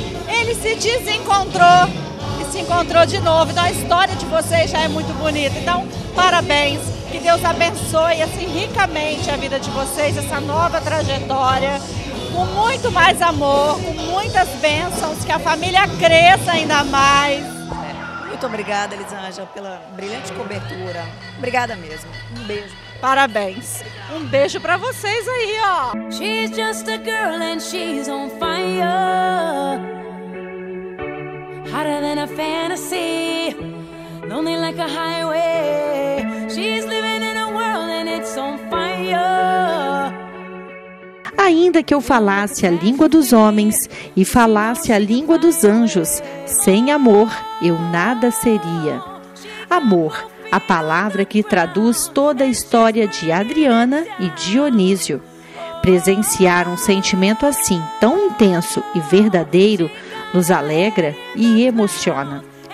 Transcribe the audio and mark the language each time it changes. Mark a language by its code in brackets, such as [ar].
[pt] Ele se desencontrou. Se encontrou de novo, então a história de vocês já é muito bonita, então parabéns, que Deus abençoe assim ricamente a vida de vocês, essa nova trajetória, com muito mais amor, com muitas bênçãos, que a família cresça ainda mais. Muito obrigada, Elisângela, pela brilhante cobertura, obrigada mesmo, um beijo. Parabéns. Um beijo pra vocês aí, ó. [en] She's just a girl and she's on fire. Hotter than a fantasy. Lonely like a highway. She's living in a world and it's on fire. [pt] Ainda que eu falasse a língua dos homens e falasse a língua dos anjos, sem amor eu nada seria. Amor, a palavra que traduz toda a história de Adriana e Dionísio. Presenciar um sentimento assim, tão intenso e verdadeiro, nos alegra e emociona.